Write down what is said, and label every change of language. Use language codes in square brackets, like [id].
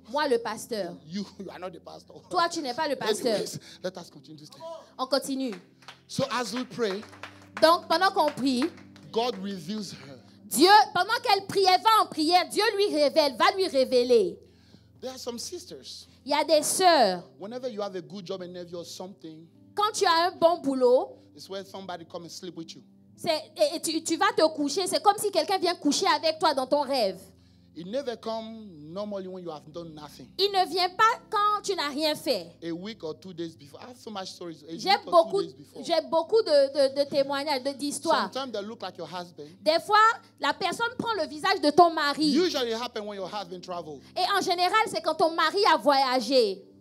[fr] Moi, le pasteur. [en] You are not the pastor. [fr] Toi, tu n'es pas le pasteur. [en] Anyways, let us continue this thing. [fr] On continue. [en] So as we pray, [fr] donc, pendant qu'on prie, [en] God reveals her. [fr] Dieu, pendant qu'elle prie, va en prière, Dieu lui révèle, va lui révéler. [en] There are some sisters. [fr] Il y a des sœurs. [en] Whenever you have a good job and interview or something, [fr] quand tu as un bon boulot, [en] it's where somebody comes and sleep with you. [fr] Tu vas te coucher, c'est comme si quelqu'un vient coucher avec toi dans ton rêve. [en] It never comes normally when you have done nothing. [fr] Il ne vient pas quand tu n'as rien fait. [en] A week or 2 days before. I have so much stories. [fr] J'ai beaucoup de témoignages, d'histoires. [en] Sometimes they look like your husband. [fr] Des fois, la personne prend le visage de ton mari. [en] Usually it happens when your husband travels. [fr] Et en général, c'est quand ton mari a voyagé.